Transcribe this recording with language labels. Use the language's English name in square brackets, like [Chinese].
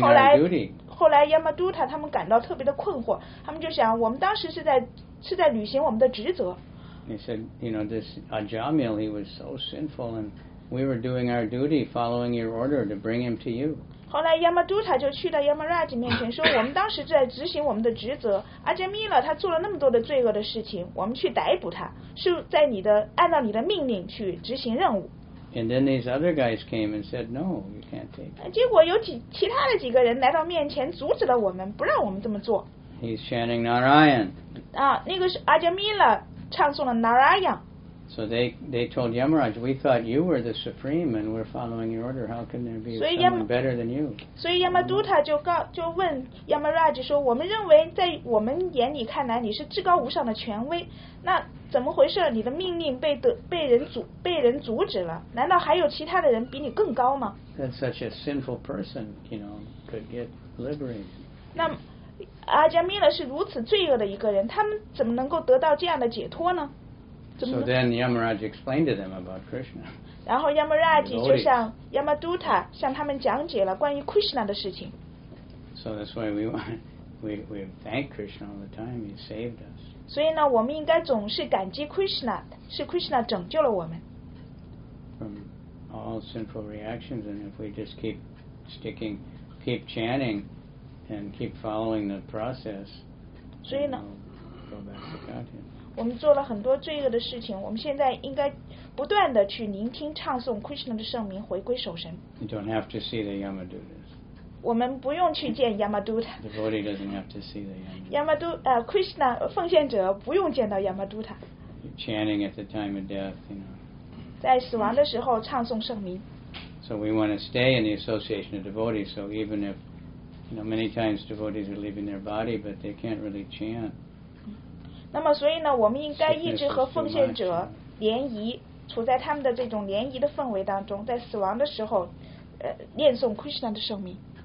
[Chinese] 后来亚玛杜塔他们感到特别的困惑，他们就想，我们当时是在履行我们的职责。 [English] They said, you know, this Ajamil, he was so sinful, and we were doing our duty, following your order to bring him to you. [Chinese] 后来亚玛杜塔就去到亚玛拉吉面前说，我们当时在执行我们的职责。阿迦密勒他做了那么多的罪恶的事情，我们去逮捕他。是在你的按照你的命令去执行任务。 [English] And then these other guys came and said, "No, you can't take." [Chinese] 结果有其他的几个人来到面前，阻止了我们，不让我们这么做。 [English] He's chanting Narayan. [Chinese] 啊，那个是阿迦密勒唱诵了 Narayan. [English] So they told Yamaraj, "We thought you were the supreme, and we're following your order. How can there be someone better than you?" [Chinese] 所以 Yamaduta 就问 Yamaraj 说，我们认为在我们眼里看来你是至高无上的权威，那怎么回事？你的命令被人阻止了？难道还有其他的人比你更高吗 [English] ？That such a sinful person, you know, could get liberated. [Chinese] 那阿迦密勒是如此罪恶的一个人，他们怎么能够得到这样的解脱呢 [English] ？So then Yamaraj explained to them about Krishna. [Chinese] 然后 Yamaraj 就向 Yamaduta 向他们讲解了关于 Krishna 的事情。 [English] So that's why we thank Krishna all the time. He saved us. [Chinese] 所以呢，我们应该总是感激 Krishna， 是 Krishna 拯救了我们。 [English] From all sinful reactions, and if we just keep sticking, keep chanting, and keep following the process, [Chinese] 所以呢 [English] go back to Godhead. [Chinese] 我们做了很多罪恶的事情，我们现在应该不断的去聆听、唱诵 Krishna 的圣名，回归守神。 [English] You don't have to see the Yamadutas. [Chinese] 我们不用去见 Yamaduta. [English] The devotee doesn't have to see the Yamaduta. [Chinese] Krishna, 奉献者不用见到 Yamaduta. [English] You're chanting at the time of death, you know. [Chinese] 在死亡的时候唱诵圣名。 [English] So we want to stay in the association of devotees. So even if, you know, many times devotees are leaving their body, but they can't really chant. [Chinese] 那么所以呢，我们应该一直和奉献者联谊，处在他们的这种联谊的氛围当中，在死亡的时候，念诵 Krishna 的圣名。